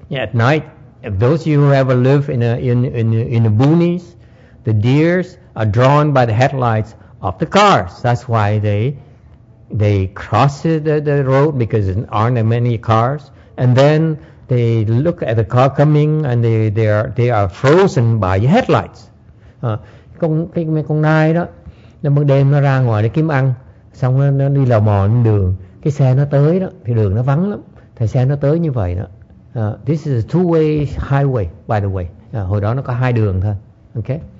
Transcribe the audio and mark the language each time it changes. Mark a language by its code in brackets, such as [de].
[en] Yeah, at night, if those of you who ever live in the boonies, the deers are drawn by the headlights of the cars. That's why they cross the road, because there aren't that many cars. And then they look at the car coming and they are frozen by the headlights. [vi] Con nai đó nó ban đêm nó ra ngoài để kiếm ăn, xong nó đi lò mò trên đường, cái xe nó tới đó thì đường nó vắng lắm, thì xe nó tới như vậy đó. [en] This is a two-way highway, by the way. [vi] Hồi đó nó có hai đường thôi. Okay.